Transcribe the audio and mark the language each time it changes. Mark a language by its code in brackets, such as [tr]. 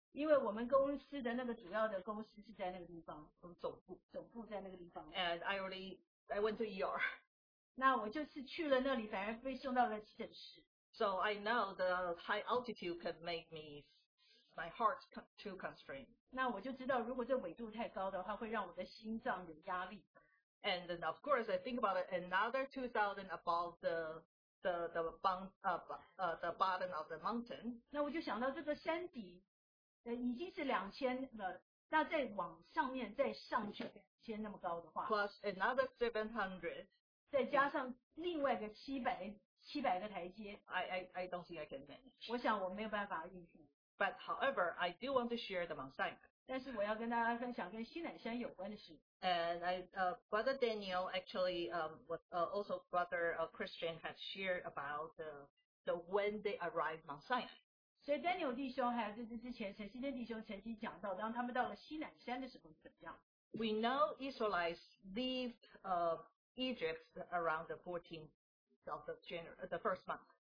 [zh] 因为我们公司的那个主要的公司是在那个地方，我们总部在那个地方。 [en] And I went to ER. [zh] 那我就是去了那里，反而被送到了急诊室。 [en] So I know the high altitude can make my heart too constrained. [zh] 那我就知道，如果这纬度太高的话，会让我的心脏有压力。 [en] And then of course I think about it, another 2,000 above the bottom of the mountain. [zh] 那我就想到这个山底已经是2000了，那再往上面再上去 2000那么高的话, [en] plus another 700, [zh] 再加上另外个700个台阶, [en] I don't think I can manage. [zh] 我想我没有办法应付. [en] But however, I do want to share the Mount Sinai. [zh] 但是我要跟大家分享跟西乃山有关的事. [en] And I, Brother Daniel actually, also Brother Christian has shared about the when they arrived Mount Sinai. [zh] 所以 Daniel 弟兄还有这之前陈希天弟兄曾经讲到，当他们到了西乃山的时候怎么样？ [en] We know Israelites leave Egypt around the 14th of the January, the first month.